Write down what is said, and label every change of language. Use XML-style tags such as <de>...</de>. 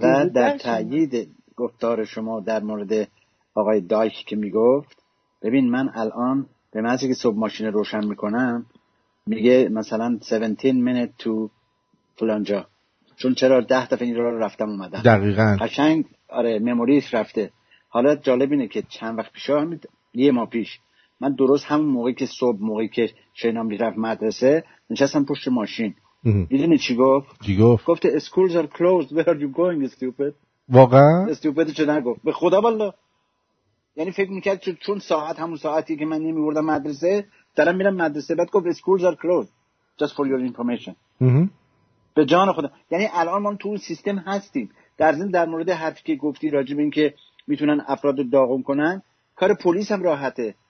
<fa>و در تأیید گفتار شما در مورد آقای دایک که میگفت، ببین من الان به معنی که صبح ماشین روشن میکنم میگه مثلا</fa> <en>17 minute to</en> <fa>فلانجا، چون چرا 10 دفعه این رو رفتم اومدم. دقیقا قشنگ آره مموریش رفته. حالا جالب اینه که چند وقت پیش یه ماه پیش من درست همون موقعی که صبح موقعی که شینام میرفت مدرسه نشستم پشت ماشین. میدونی چی گفت؟ چی گفت؟ گفت</fa> <en>Schools are closed where are you going stupid.</en> <fa>واقعا استیوپد چه نگفت به خدا والله. یعنی فکر میکرد چون ساعت همون ساعتی که من نمیوردم مدرسه دارم میرم مدرسه، بعد گفت</fa> <en>Schools are closed just for your information.</en> <fa>به جان خدا. یعنی الان ما تو اون سیستم هستیم. در ضمن در مورد حرفی که گفتی راجب این که میتونن افراد رو داغون کنن، کار پلیس هم راحته.</fa>